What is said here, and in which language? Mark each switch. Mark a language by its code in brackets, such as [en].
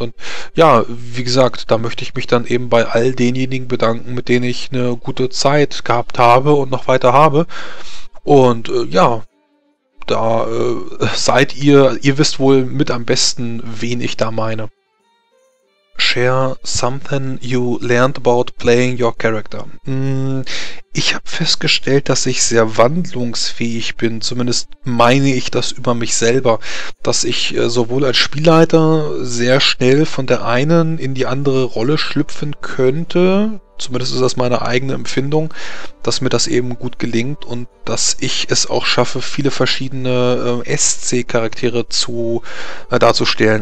[de] Und ja, wie gesagt, da möchte ich mich dann eben bei all denjenigen bedanken, mit denen ich eine gute Zeit gehabt habe und noch weiter habe. Und ja, da seid ihr, ihr wisst wohl mit am besten, wen ich da meine. [en] Share something you learned about playing your character. [de] Ich habe festgestellt, dass ich sehr wandlungsfähig bin. Zumindest meine ich das über mich selber, dass ich sowohl als Spielleiter sehr schnell von der einen in die andere Rolle schlüpfen könnte. Zumindest ist das meine eigene Empfindung, dass mir das eben gut gelingt und dass ich es auch schaffe, viele verschiedene SC-Charaktere zu darzustellen.